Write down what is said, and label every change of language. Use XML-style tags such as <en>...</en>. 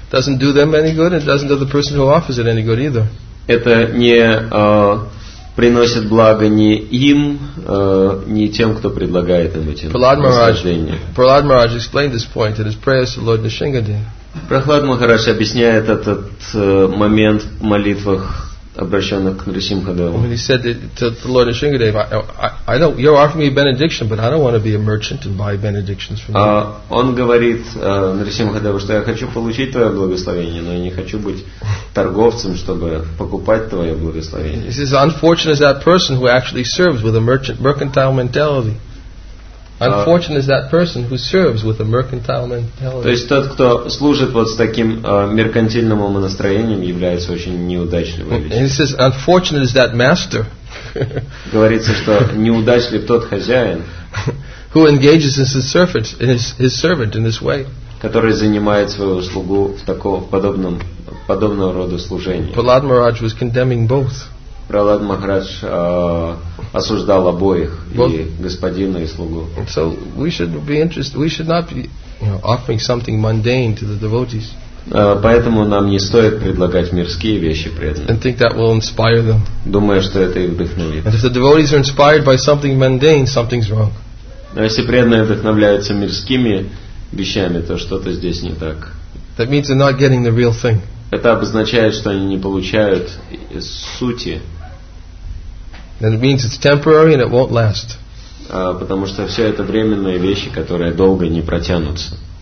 <ru>Это не приносит благо ни им, ни тем, кто предлагает им эти наслаждения.</ru> <en>Prahlad Maharaj explained this point in his prayers to Lord Nrisingadev.</en> <ru>Прохлад Махарадж объясняет этот момент в молитвах, обращенных к Нрисимхадеву.</ru> <en>When he said to Lord Nrisingadev, I know you're offering me benediction, but I don't want to be a merchant and buy benedictions from you.</en> <ru>Он говорит Нрисимхадеву, что я хочу получить твое благословение, но я не хочу быть торговцем, чтобы покупать твое благословение.</ru> <en>This is unfortunate as that person who actually serves with a mercantile mentality. Unfortunate is that person who serves with a mercantile mentality.</en> <ru>То есть тот, кто служит вот с таким меркантильным умонастроением, является очень неудачливым.</ru> <en>And he says, unfortunate is that master.</en> <ru>Говорится, что неудачлив тот хозяин,</ru> <en>who engages his servant in this way.</en> <ru>Который занимает свою слугу в такого подобного рода служении.</ru> <en>Prahlad Maharaj was condemning both.</en> <ru>Prahlad Maharaj осуждал обоих, и господина, и слугу.</ru> <en>So we should be interested. We should not be, offering something mundane to the devotees.</en> <ru>Поэтому нам не стоит предлагать мирские вещи преданным.</ru> <en>And think that will inspire them.</en> <ru>Думая, что это их вдохновит.</ru> <en>And if the devotees are inspired by something mundane, something's wrong.</en> <ru>Но если преданные вдохновляются мирскими вещами, то что-то здесь не так.</ru> <en>That means they're not getting the real thing.</en> <ru>Это обозначает, что они не получают сути.</ru> <en>And it means it's temporary and it won't last.</en> <ru>Потому что все это временные вещи, которые долго не протянутся.</ru>